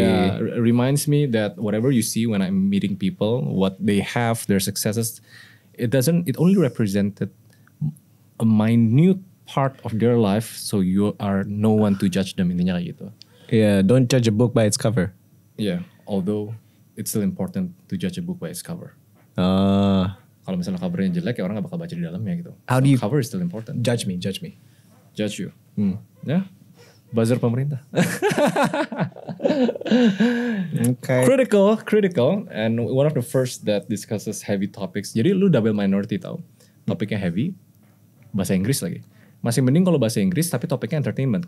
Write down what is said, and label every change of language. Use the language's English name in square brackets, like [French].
[English] Yeah, reminds me that whatever you see when I'm meeting people, what they have, their successes, it only represented a minute part of their life, so you are no one to judge them, [Indonesian] intinya kayak gitu. [English] Yeah, don't judge a book by its cover. Yeah, although it's still important to judge a book by its cover. [Indonesian] Kalau misalnya covernya jelek, ya orang gak bakal baca di dalamnya gitu. [English] How so do you cover is still important. Judge me. Judge you. Hmm. Yeah. [Indonesian] Buzzer pemerintah. [English] Okay. Critical. And one of the first that discusses heavy topics. [Indonesian] Jadi lu double minority tau. Topiknya heavy. Bahasa Inggris lagi. Masih mending kalau bahasa Inggris tapi topiknya entertainment.